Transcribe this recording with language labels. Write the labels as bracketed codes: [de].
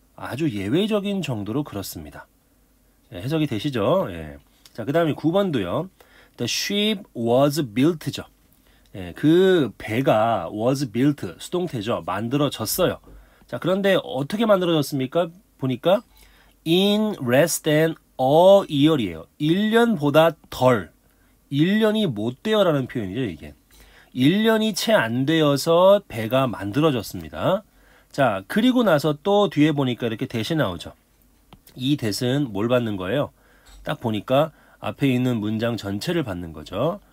[ko] 아주 예외적인 정도로 그렇습니다. 예, 해석이 되시죠? 예. 자, 그 다음에 9번도요. [en] The ship was built [ko] 죠. 예, 그 배가 [en] was built, [ko] 수동태죠. 만들어졌어요. 자, 그런데 어떻게 만들어졌습니까? 보니까 [en] in less than a year [ko] 이에요. 1년보다 덜. 1년이 못 되어라는 표현이죠, 이게. 1년이 채안 되어서 배가 만들어졌습니다. 자, 그리고 나서 또 뒤에 보니까 이렇게 대신 나오죠. 이 대신 뭘 받는 거예요? 딱 보니까 앞에 있는 문장 전체를 받는 거죠.